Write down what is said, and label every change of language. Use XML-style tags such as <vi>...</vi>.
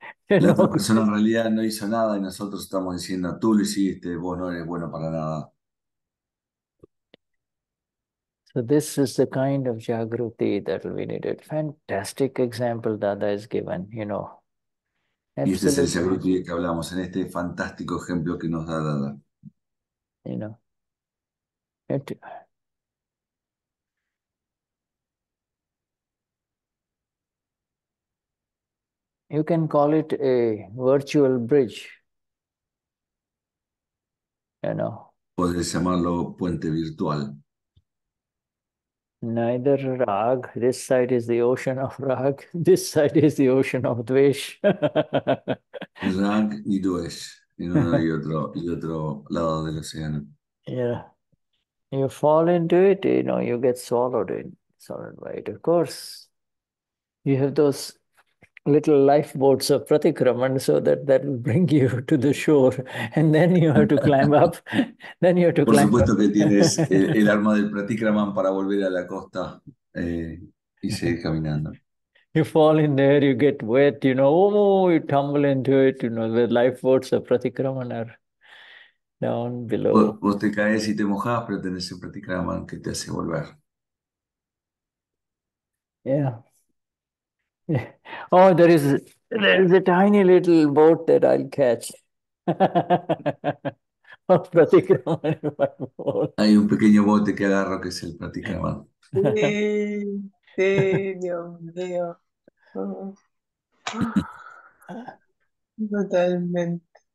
<es>La otra persona en realidad no hizo nada, y nosotros estamos diciendo, "Tú lo hiciste. Vos no eres bueno para nada."</es> <en>So this is the kind of jagruti that will be needed. Fantastic example Dada has given, you know.</en> <es>Y este es el jagruti que hablamos, en este fantástico ejemplo que nos da Dada.</es> <en>You know. It, you can call it a virtual bridge. You know.</en> <es>Puedes llamarlo puente virtual.</es> <en>Neither rag, this side is the ocean of rag, this side is the ocean of dvesh.</en> <es>Rag ni dvesh, en uno y otro lado del océano.</es> <en>Yeah, you fall into it, you know, you get swallowed in, swallowed by it. Of course, you have those little lifeboats of pratikraman so that that will bring you to the shore, and then you have to climb up. Then you have to</en> <es>Por</es> <en>climb</en> <es>supuesto</es> <en>up.</en> <es>Que tienes el arma del pratikraman para volver a la costa y seguir caminando.</es> <en>You fall in there, you get wet, you know, oh, you tumble into it, you know, the lifeboats of pratikraman are down below.</en> <es>Vos te caes y te mojas, pero tenés el pratikraman que te hace volver.</es> <en>Yeah. Oh, there is a tiny little boat that I'll catch.</en> <es>Hay un pequeño bote que agarro que es el Pratikraman. Sí, Dios mío. Totalmente.</es>